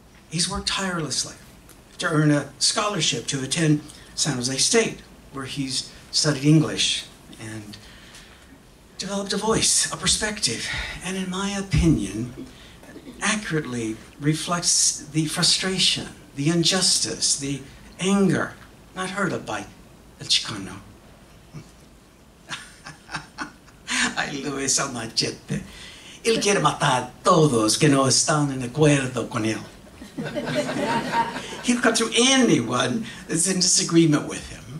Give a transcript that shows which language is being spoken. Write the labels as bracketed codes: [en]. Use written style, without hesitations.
[en] he's worked tirelessly to earn a scholarship to attend San Jose State, where he's studied English and developed a voice, a perspective, and in my opinion, accurately reflects the frustration, the injustice, the anger not heard of by El Chicano. [es] Ay, Luis, a Machete. Él quiere matar todos que no están en acuerdo con él. [en] He'll cut through anyone that's in disagreement with him.